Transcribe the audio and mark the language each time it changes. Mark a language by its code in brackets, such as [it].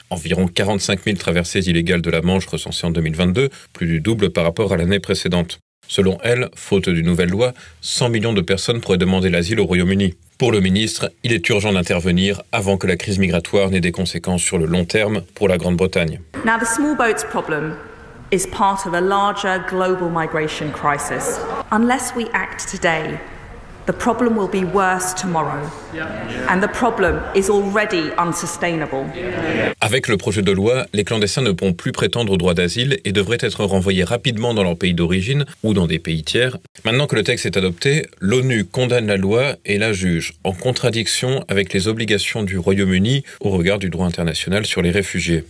[fr] Environ 45 000 traversées illégales de la Manche recensées en 2022, plus du double par rapport à l'année précédente. Selon elle, faute d'une nouvelle loi, 100 millions de personnes pourraient demander l'asile au Royaume-Uni. Pour le ministre, il est urgent d'intervenir avant que la crise migratoire n'ait des conséquences sur le long terme pour la Grande-Bretagne. [en] Now the small boats problem is part of a larger global migration crisis. Unless we act today, the problem will be worse tomorrow. And the problem is already unsustainable. [fr] Avec le projet de loi, les clandestins ne pourront plus prétendre au droit d'asile et devraient être renvoyés rapidement dans leur pays d'origine ou dans des pays tiers. Maintenant que le texte est adopté, l'ONU condamne la loi et la juge en contradiction avec les obligations du Royaume-Uni au regard du droit international sur les réfugiés.